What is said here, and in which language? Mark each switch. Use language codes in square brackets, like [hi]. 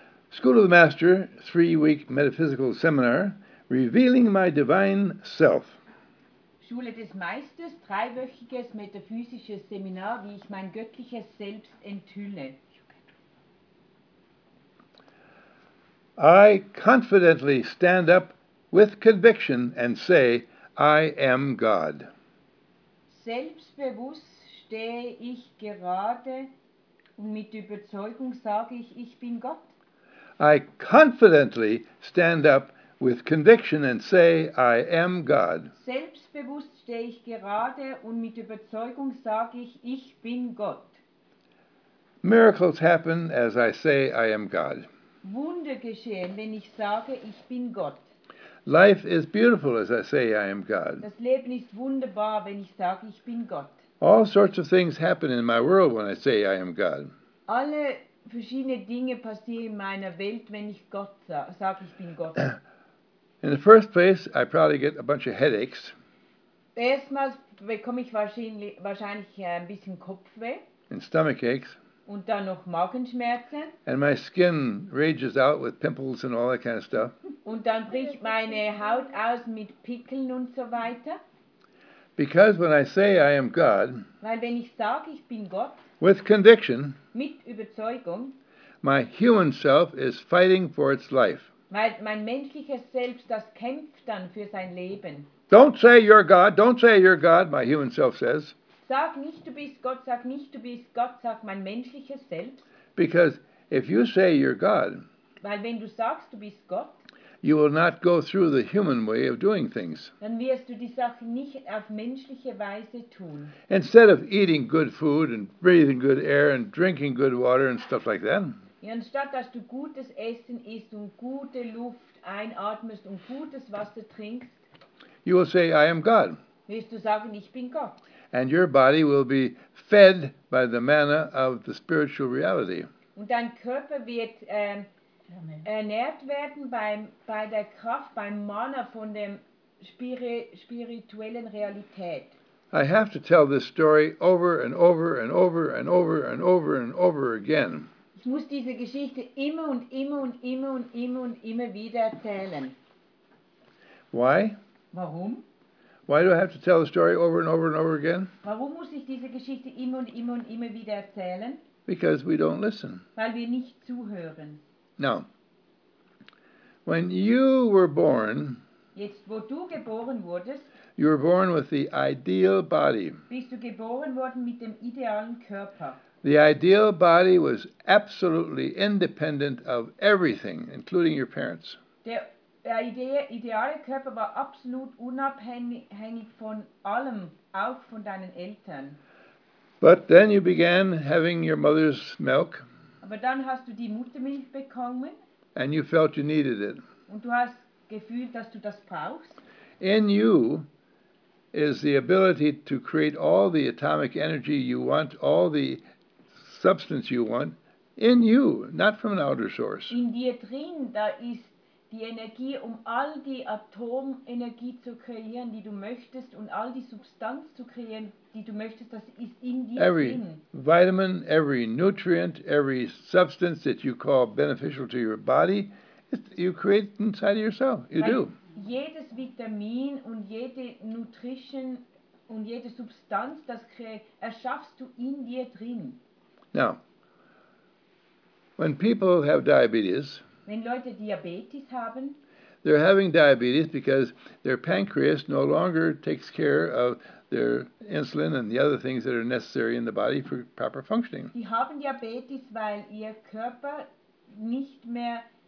[en] School of the Master, 3-week metaphysical seminar, Revealing My Divine Self. [de] Schule des Meisters, 3-wöchiges metaphysisches Seminar, wie ich mein göttliches Selbst enthülle. [en] I confidently stand up with conviction and say, I am God. [de] Selbstbewusst stehe ich gerade und mit Überzeugung sage ich, ich bin Gott. [en] I confidently stand up with conviction and say, I am God. [de] Selbstbewusst stehe ich gerade und mit Überzeugung sage ich, ich bin Gott. [en] Miracles happen as I say, I am God. [de] Wunder geschehen, wenn ich sage, ich bin Gott. [en] Life is beautiful as I say, I am God. [de] Das Leben ist wunderbar, wenn ich sage, ich bin Gott. [en] All sorts of things happen in my world when I say, I am God. [de] Alle verschiedene Dinge passieren in meiner Welt, wenn ich Gott sage, ich bin Gott. [en] In the first place, I probably get a bunch of headaches. [de] Erstmals bekomme ich wahrscheinlich ein bisschen Kopfweh. [en] And stomach aches. [de] Und dann noch Magenschmerzen. [en] And my skin rages out with pimples and all that kind of stuff. [de] Und dann bricht meine Haut aus mit Pickeln und so weiter. [en] Because when I say I am God, [de] weil wenn ich sage, ich bin Gott, [en] with conviction, [de] mit Überzeugung, [en] my human self is fighting for its life. [de] Weil mein menschliches Selbst, das kämpft dann für sein Leben. [en] Don't say you're God, don't say you're God, my human self says. [de] Sag nicht, du bist Gott, sag nicht, du bist Gott, sag mein menschliches Selbst. [en] Because if you say you're God, [de] weil wenn du sagst, du bist Gott, [en] you will not go through the human way of doing things. [de] Dann wirst du die Sache nicht auf menschliche Weise tun. [en] Instead of eating good food and breathing good air and drinking good water and stuff like that, [de] anstatt dass du gutes Essen isst und gute Luft einatmest und gutes Wasser trinkst, [en] you will say, I am God. [de] Wirst du sagen, ich bin Gott. [en] And your body will be fed by the manna of the spiritual reality. [de] Und dein Körper wird ernährt werden bei der Kraft, beim Manna von der spirituellen Realität. [en] I have to tell this story over and over and over and over and over and over again. [de] Ich muss diese Geschichte immer und immer und immer und immer und immer wieder erzählen. [en] Why? [de] Warum? [en] Why do I have to tell the story over and over and over again? [de] Warum muss ich diese Geschichte immer und immer und immer wieder erzählen? [en] Because we don't listen. [de] Weil wir nicht zuhören. [en] Now, when you were born, [de] jetzt, wo du geboren wurdest, [en] you were born with the ideal body. [de] Bist du geboren worden mit dem idealen Körper. [en] The ideal body was absolutely independent of everything, including your parents. [de] Ideale Körper war absolut unabhängig von allem, auch von deinen Eltern. [en] But then you began having your mother's milk. [de] Aber dann hast du die Muttermilch bekommen. [en] And you felt you needed it. [de] Und du hast gefühlt, dass du das brauchst. [en] In you is the ability to create all the atomic energy you want, all the substance you want, in you, not from an outer source. [de] In dir drin, da ist die Energie, um all die Atomenergie zu kreieren, die du möchtest, und all die Substanz zu kreieren, die du möchtest, das ist in dir [en] every [de] drin. [en] Every vitamin, every nutrient, every substance that you call beneficial to your body, you create inside of yourself. You [de] weil [en] do. [de] Jedes Vitamin und jede Nutrition und jede Substanz, das erschaffst du in dir drin. [en] Now, when people have diabetes, [de] wenn Leute Diabetes haben, [en] they're having diabetes because their pancreas no longer takes care of their insulin and the other things that are necessary in the body for proper functioning. [de] Die haben Diabetes, weil ihr Körper nicht mehr